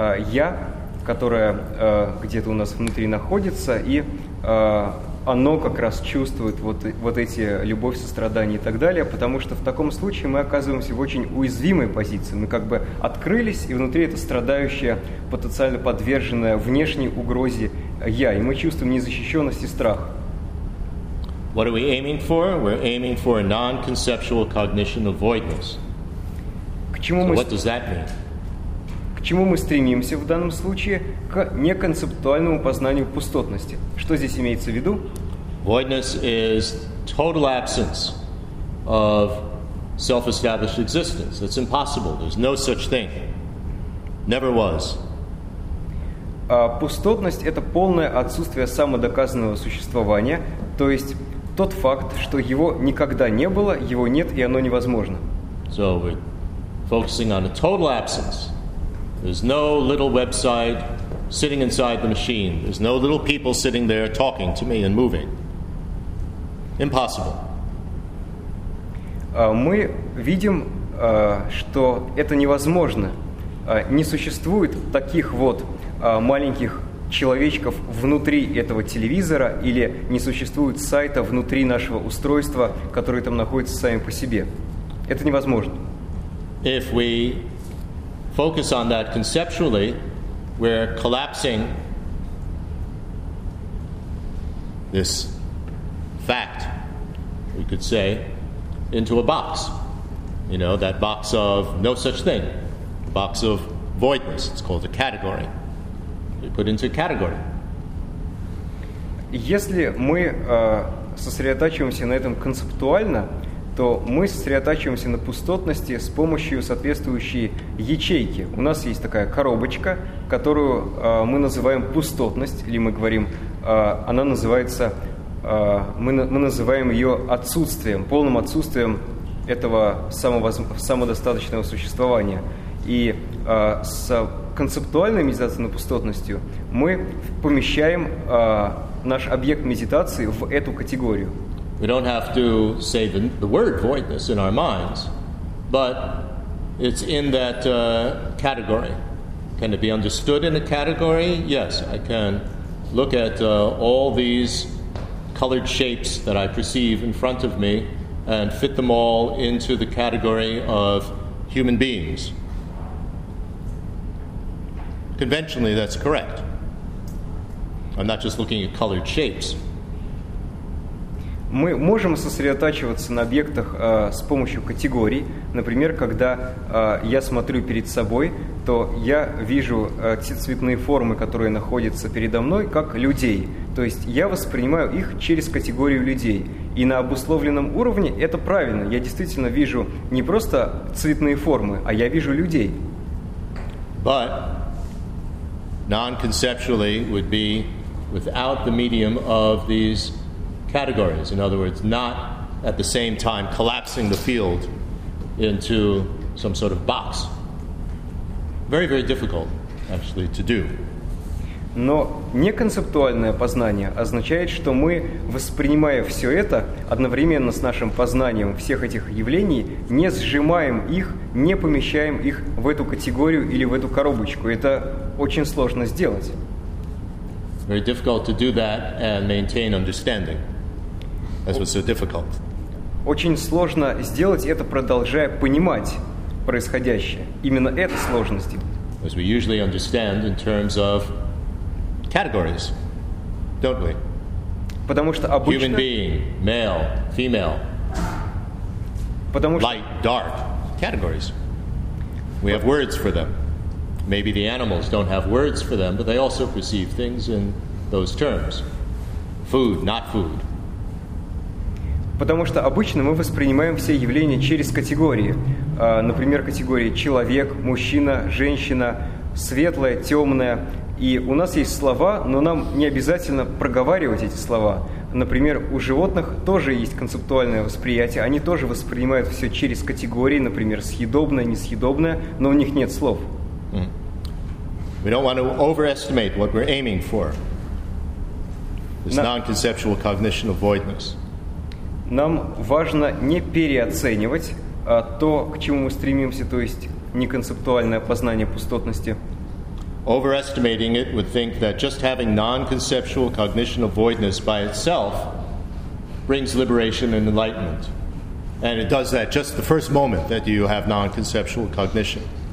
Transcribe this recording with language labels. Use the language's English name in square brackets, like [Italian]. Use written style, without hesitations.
[Russian] «я», которое где-то у нас внутри находится, и оно как раз чувствует вот эти любовь, сострадание и так далее, потому что в таком случае мы оказываемся в очень уязвимой позиции. Мы как бы открылись, и внутри это страдающее, потенциально подверженное внешней угрозе «я», и мы чувствуем незащищенность и страх. [English] What are we aiming for? We're aiming for a non-conceptual cognition of voidness. What does that mean? [Russian] К чему мы стремимся в данном случае? К неконцептуальному познанию пустотности. Что здесь имеется в виду? [English] Voidness is total absence of self-established existence. It's impossible. There's no such thing. Never was. [Russian] Пустотность – это полное отсутствие самодоказанного существования, то есть тот факт, что его никогда не было, его нет, и оно невозможно. [English] So we're focusing on a total absence. There's no little website sitting inside the machine. There's no little people sitting there talking to me and moving. Impossible. [Russian] Мы видим, что это невозможно. Не существует таких вот маленьких человечков внутри этого телевизора или не существует сайта внутри нашего устройства, которые там находятся сами по себе. Это невозможно. [English] If we focus on that conceptually, we're collapsing this fact, we could say, into a box. You know, that box of no such thing, a box of voidness. It's called a category. We put into a category. [Russian] Если мы сосредотачиваемся на этом концептуально, то мы сосредотачиваемся на пустотности с помощью соответствующей ячейки. У нас есть такая коробочка, которую мы называем пустотность, или мы говорим, она называется, мы называем ее отсутствием, полным отсутствием этого самодостаточного существования. И с концептуальной медитацией на пустотностью мы помещаем наш объект медитации в эту категорию. [English] We don't have to say the word voidness in our minds, but it's in that category. Can it be understood in a category? Yes, I can look at all these colored shapes that I perceive in front of me and fit them all into the category of human beings. Conventionally, that's correct. I'm not just looking at colored shapes. [Russian] Мы можем сосредотачиваться на объектах с помощью категорий. Например, когда я смотрю перед собой, то я вижу те цветные формы, которые находятся передо мной, как людей. То есть я воспринимаю их через категорию людей. И на обусловленном уровне это правильно. Я действительно вижу не просто цветные формы, а я вижу людей. [English] But non-conceptually would be without the medium of these categories, in other words, not at the same time collapsing the field into some sort of box. Very, very difficult, actually, to do. [Russian] Но неконцептуальное познание означает, что мы, воспринимая все это, одновременно с нашим познанием всех этих явлений, не сжимаем их, не помещаем их в эту категорию или в эту коробочку. Это очень сложно сделать. Очень сложно сделать это, продолжая понимать происходящее. Именно это сложно сделать. [English] As we usually understand in terms of categories, don't we? [Russian] Потому что обычно [English] human being, male, female, light, dark, categories. We have words for them. Maybe the animals don't have words for them, but they also perceive things in those terms. Food, not food. [Russian] Потому что обычно мы воспринимаем все явления через категории. Например, категории человек, мужчина, женщина, светлое, темное. И у нас есть слова, но нам не обязательно проговаривать эти слова. Например, у животных тоже есть концептуальное восприятие. Они тоже воспринимают все через категории, например, съедобное, несъедобное, но у них нет слов. [English] We don't want to overestimate what we're aiming for. This non-conceptual cognition avoidance. [Russian] Нам важно не переоценивать то, к чему мы стремимся, то есть неконцептуальное познание пустотности. [English] Overestimating it would think that just having non-conceptual cognition avoidance by itself brings liberation and enlightenment. And it does that just the first moment that you have non-conceptual cognition.